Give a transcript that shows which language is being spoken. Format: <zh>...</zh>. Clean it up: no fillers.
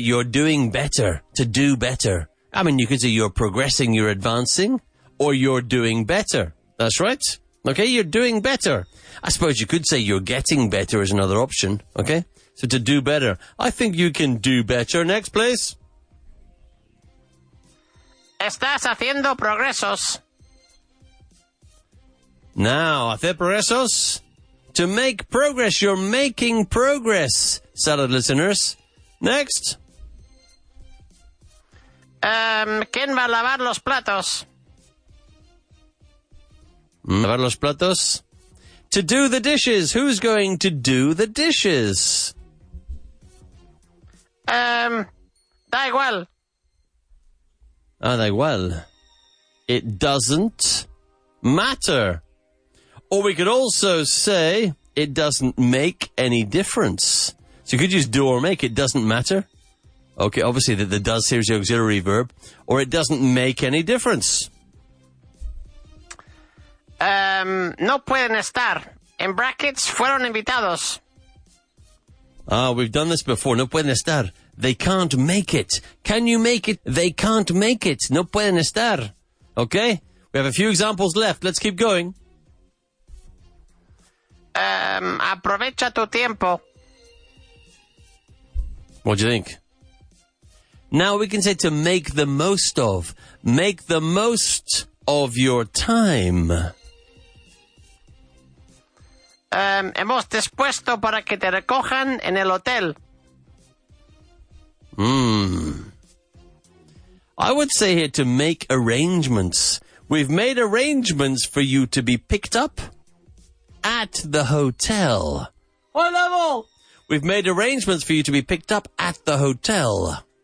<en>You're doing better, to do better. I mean, you could say you're progressing, you're advancing, or you're doing better. That's right. Okay, you're doing better. I suppose you could say you're getting better is another option. Okay, so to do better. I think you can do better. Next, please.</en> <es>Estás haciendo progresos.</es> <en>Now,</en> <es>hacer progresos.</es> <en>To make progress. You're making progress, salad listeners. Next.</en> <es>¿Quién va a lavar los platos? Lavar los platos.</es> <en>To do the dishes. Who's going to do the dishes?</en> <es>Da igual. Ah, da igual.</es> <en>It doesn't matter. Or we could also say, it doesn't make any difference. So you could use do or make, it doesn't matter. Okay, obviously the does here is the auxiliary verb. Or it doesn't make any difference.</en> <es>No pueden estar.</es> <en>In brackets,</en> <es>fueron invitados.</es> <en>Ah, we've done this before.</en> <es>No pueden estar.</es> <en>They can't make it. Can you make it? They can't make it.</en> <es>No pueden estar.</es> <en>Okay? We have a few examples left. Let's keep going.</en> <es>Aprovecha tu tiempo.</es> <en>What do you think? Now we can say to make the most of. Make the most of your time.</en> <es>Hemos dispuesto para que te recojan en el hotel.</es> <en>I would say here to make arrangements. We've made arrangements for you to be picked up at the hotel. What level? We've made arrangements for you to be picked up at the hotel.</en>